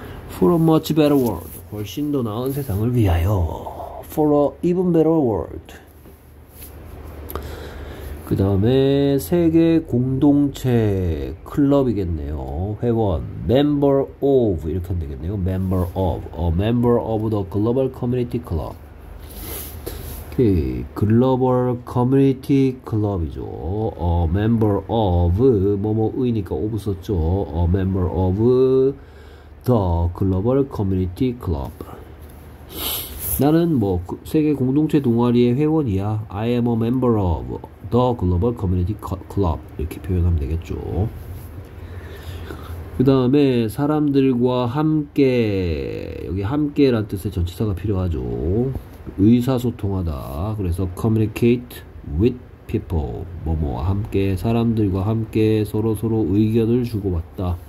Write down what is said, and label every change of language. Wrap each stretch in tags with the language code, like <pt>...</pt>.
<en>For a much better world.</en> <ko>훨씬 더 나은 세상을 위하여</ko> <en>for a even better world.</en> <ko>그 다음에 세계 공동체 클럽이겠네요. 회원 member of 이렇게 하면 되겠네요.</ko> <en>member of a member of the global community club.</en> <ko>오케이. 글로벌 커뮤니티 클럽이죠.</ko> <en>a member of</en> <ko>뭐뭐의니까</ko> <en>of</en> <ko>썼죠.</ko> <en>a member of The Global Community Club.</en> <ko>나는 뭐 세계 공동체 동아리의 회원이야.</ko> <en>I am a member of the Global Community Club.</en> <ko>이렇게 표현하면 되겠죠. 그 다음에 사람들과 함께, 여기 함께란 뜻의 전치사가 필요하죠. 의사소통하다. 그래서</ko> <en>communicate with people.</en> <ko>뭐뭐와 함께, 사람들과 함께 서로서로 의견을 주고받다.</ko>